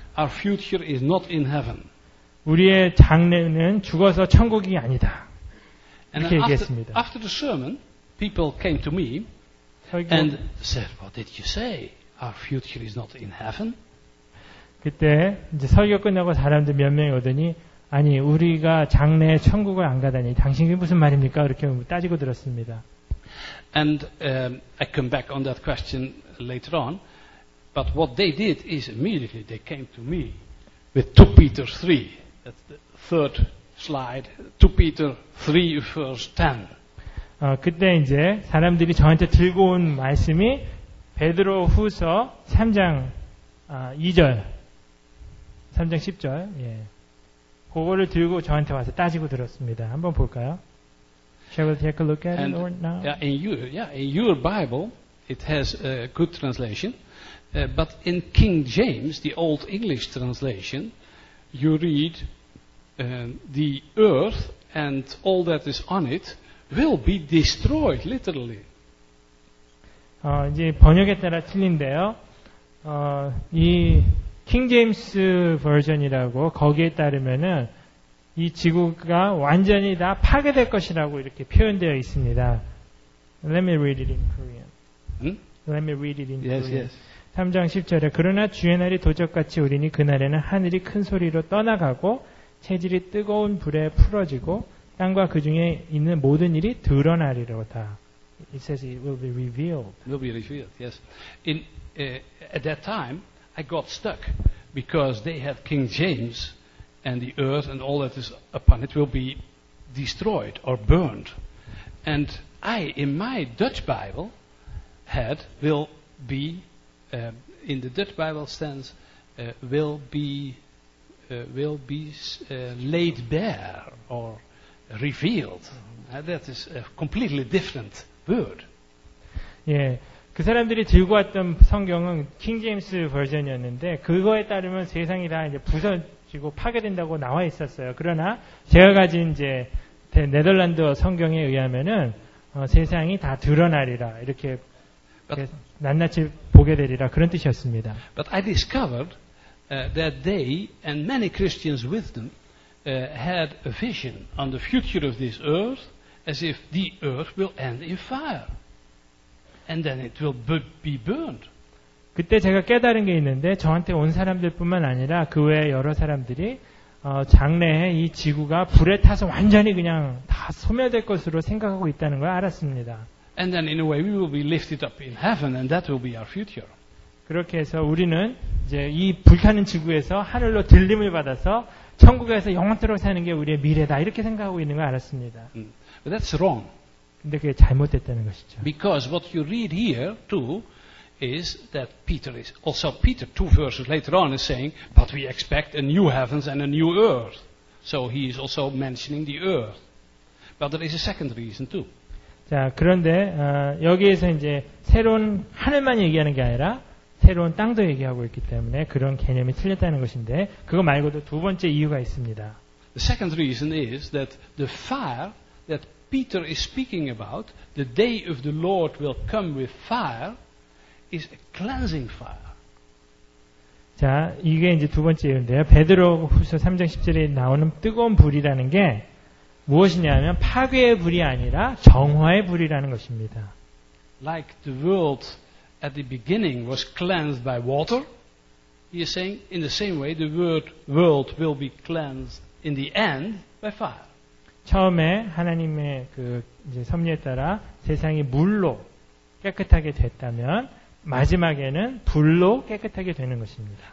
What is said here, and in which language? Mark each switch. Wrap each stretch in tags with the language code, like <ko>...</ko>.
<en>our future is not in heaven.</en> <ko>우리의 장래는 죽어서 천국이 아니다. 이렇게 얘기했습니다.</ko> <en>After the sermon, people came to me and said, "What did you say? Our future is not in heaven."</en> <ko>그때 이제 설교 끝나고 사람들 몇 명이 오더니 아니 우리가 장래에 천국을 안 가다니 당신이 무슨 말입니까? 이렇게 따지고 들었습니다.</ko> <en>And I come back on that question later on. But what they did is immediately they came to me with 2 Peter 3. That's the third slide. 2 Peter 3 verse 10.</en> <ko>그때 이제 사람들이 저한테 들고 온 말씀이 베드로 후서 3장 2절. 3장 10절. 예. 그거를 들고 저한테 와서 따지고 들었습니다. 한번 볼까요?</ko> <en>Shall we take a look at it or not? In your Bible, it has a good translation. But in King James, the Old English translation, you read the earth and all that is on it will be destroyed, literally.</en> <ko>이제 번역에 따라 틀린데요. 이 킹 제임스 버전이라고 거기에 따르면은 이 지구가 완전히 다 파괴될 것이라고 이렇게 표현되어 있습니다.</ko> <en>Let me read it in Korean. Let me read it in Korean. Yes, yes.</en> <ko>3장 10절에 그러나 주의 날이 도적같이 오리니 그날에는 하늘이 큰 소리로 떠나가고 체질이 뜨거운 불에 풀어지고 땅과 그 중에 있는 모든 일이 드러나리로다.</ko> <en>It says it will be revealed. Will be revealed, yes. In, at that time, I got stuck because they had King James and the earth and all that is upon it will be destroyed or burned. And I, in my Dutch Bible, had will be in the Dutch Bible stands will be laid bare or revealed. That is a completely different word.</en> <ko>예, 그 사람들이 들고 왔던 성경은 킹 제임스 버전이었는데 그거에 따르면 세상이 다 이제 부서지고 파괴된다고 나와 있었어요. 그러나 제가 가진 이제 네덜란드 성경에 의하면은 세상이 다 드러나리라 이렇게 낱낱이 보게 되리라 그런 뜻이었습니다.</ko> <en>But I discovered that they and many Christians with them had a vision on the future of this earth as if the earth will end in fire and then it will be burned.</en> <ko>그때 제가 깨달은 게 있는데 저한테 온 사람들뿐만 아니라 그 외 여러 사람들이 장래에 이 지구가 불에 타서 완전히 그냥 다 소멸될 것으로 생각하고 있다는 걸 알았습니다.</ko> <en>And then in a way we will be lifted up in heaven and that will be our future.</en> <ko>그렇게 해서 우리는 이제 이 불타는 지구에서 하늘로 들림을 받아서 천국에서 영원토록 사는 게 우리의 미래다 이렇게 생각하고 있는 걸 알았습니다.</ko> <en>But that's wrong.</en> <ko>근데 그게 잘못됐다는 것이죠.</ko> <en>Because what you read here too is that Peter is also Peter two verses later on is saying but we expect a new heavens and a new earth. So he is also mentioning the earth. But there is a second reason too.</en> <ko>자, 그런데 여기에서 이제 새로운 하늘만 얘기하는 게 아니라 새로운 땅도 얘기하고 있기 때문에 그런 개념이 틀렸다는 것인데 그거 말고도 두 번째 이유가 있습니다.</ko> <en>The second reason is that the fire that Peter is speaking about, the day of the Lord will come with fire, is a cleansing fire.</en> <ko>자, 이게 이제 두 번째인데요. 베드로후서 3장 10절에 나오는 뜨거운 불이라는 게 무엇이냐면 파괴의 불이 아니라 정화의 불이라는 것입니다.</ko> <en>Like the world at the beginning was cleansed by water, he is saying in the same way the world will be cleansed in the end by fire.</en> <ko>처음에 하나님의 그 이제 섭리에 따라 세상이 물로 깨끗하게 됐다면 마지막에는 불로 깨끗하게 되는 것입니다.</ko>